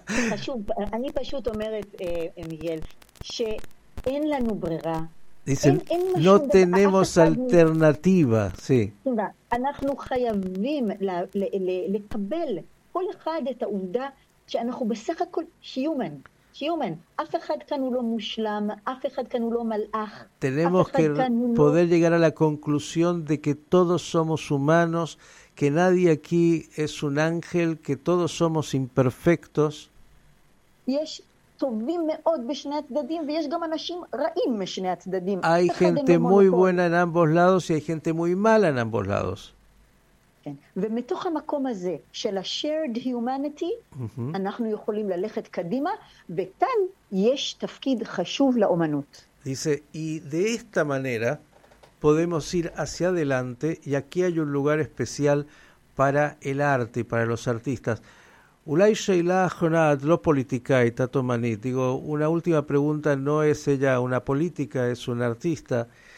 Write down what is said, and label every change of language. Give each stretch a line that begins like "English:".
Hebrew: חשוב, אני פשוט אומרת, מיגל, שאין לנו ברירה.
Spanish: אין לא tenemos alternativa, sí.
Hebrew: אנחנו חייבים לקבל כל אחד את העובדה שאנחנו בסך הכל human. Human. אף אחד כאן הוא לא מושלם, אף אחד כאן הוא לא מלאך.
Spanish: Tenemos que poder llegar a la conclusión de que todos somos humanos, que nadie aquí es un ángel, que todos somos imperfectos.
Hebrew: יש טובים מאוד בשני הצדדים, ויש גם אנשים רעים משני הצדדים.
Spanish: Hay gente muy buena en ambos lados y hay gente muy mala en ambos lados.
Hebrew: כן. ומתוך המקום הזה של ה-
English: shared humanity,
Hebrew: mm-hmm. אנחנו יכולים ללכת קדימה, וכאן יש תפקיד חשוב לאומנות.
Spanish: Dice, y de esta manera podemos ir hacia adelante, y aquí hay un lugar especial para el arte, para los artistas.
Hebrew: Ulay Sheila Jonat,
Spanish: lo política y Tato Manit. Digo, una última pregunta, no es ella una política, es una artista.